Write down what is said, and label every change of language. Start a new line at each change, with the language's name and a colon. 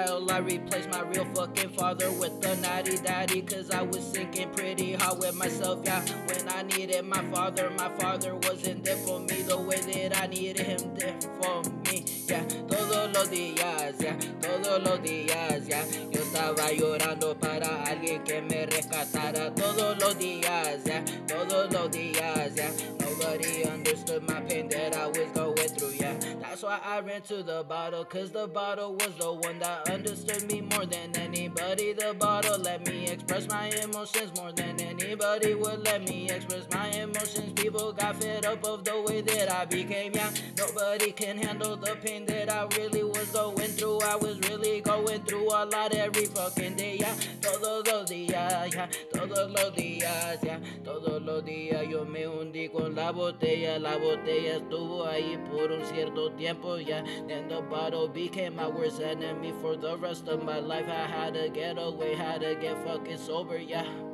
English: I replaced my real fucking father with a natty daddy. Cause I was sinking pretty hard with myself, yeah. When I needed my father wasn't there for me the way that I needed him there for me, yeah.
Spanish: Todos los días, yeah. Todos los días, yeah. Yo estaba llorando para alguien que me rescatara. Todos los días, yeah. Todos los días, yeah.
English: Nobody understood my pain that I was going through, yeah. That's why I ran to the bottle, cause the bottle was the one that understood me more than anybody. The bottle let me express my emotions more than anybody would let me express my emotions. People got fed up of the way that I became, yeah. Nobody can handle the pain that I really was going through. I was really going through a lot every fucking day, yeah.
Spanish: Todos los días, yeah. Todos los días, yeah. Todos los días yo me hundí con la botella. La botella estuvo ahí por un cierto tiempo, yeah.
English: Then the bottle became my worst enemy for the rest of my life. I had to get away, had to get fucking sober, yeah.